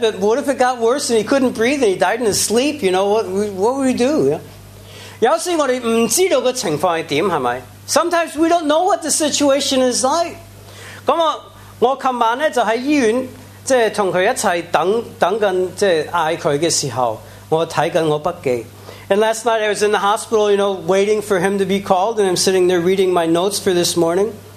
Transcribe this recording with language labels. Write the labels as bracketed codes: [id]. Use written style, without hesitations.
[en] But what if it got worse and he couldn't breathe and he died in his sleep? You know, what would we do? Yeah? [yue] 有時我哋唔知道個情況係點，係咪？ [en] Sometimes we don't know what the situation is like. [yue] 咁我琴晚咧就喺醫院，即係同佢一齊等緊，即係嗌佢嘅時候，我睇緊我筆記。 [en] And last night I was in the hospital, you know, waiting for him to be called, and I'm sitting there reading my notes for this morning.